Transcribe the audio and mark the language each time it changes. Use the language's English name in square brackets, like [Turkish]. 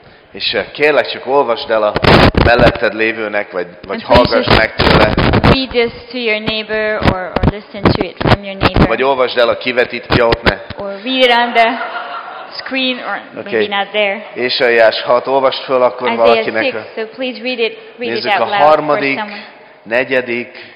[Hungarian] És kérlek, csak olvasd el a melletted lévőnek, vagy hallgass meg tőle. [English] Read this to your neighbor or listen to it from your neighbor. [Hungarian] Vagy olvasd el a kivetít piót, ne. [English] Or read it on the screen or okay. Maybe not there. [Hungarian] Ésaiás 6, olvasd föl akkor [English] Isaiah [Hungarian] valakinek. [English] Isaiah 6, so please read it out loud for someone. [Hungarian] Nézzük a harmadik, negyedik.